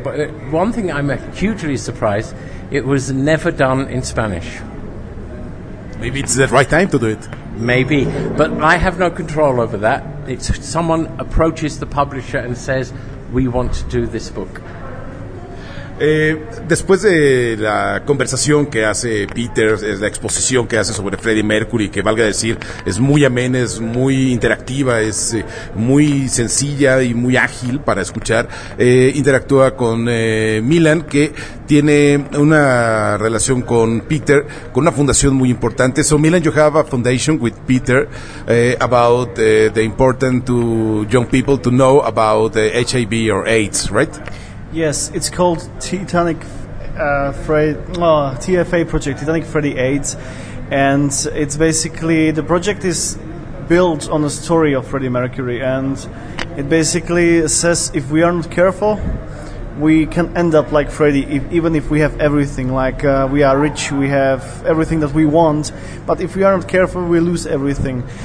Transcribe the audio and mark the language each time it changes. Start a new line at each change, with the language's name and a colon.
English: But one thing I'm hugely surprised, it was never done in Spanish. Maybe it's the right time to do it. Maybe. But I have no control over that. It's someone approaches the publisher and says, we want to do this book.
Spanish: Después de la conversación que hace Peter, la exposición que hace sobre Freddie Mercury, que valga decir, es muy amena, es muy interactiva, es muy sencilla y muy ágil para escuchar, interactúa con Milan, que tiene una relación con Peter, con una fundación muy importante.
English: So Milan, you have a foundation with Peter about the important to young people to know about HIV or AIDS, right? Yes, it's called TFA Project, Titanic Freddy AIDS, and it's basically, the project is built on the story of Freddie Mercury, and it basically says if we are not careful, we can end up like Freddie, even if we have everything, like we are rich, we have everything that we want, but if we are not careful, we lose everything.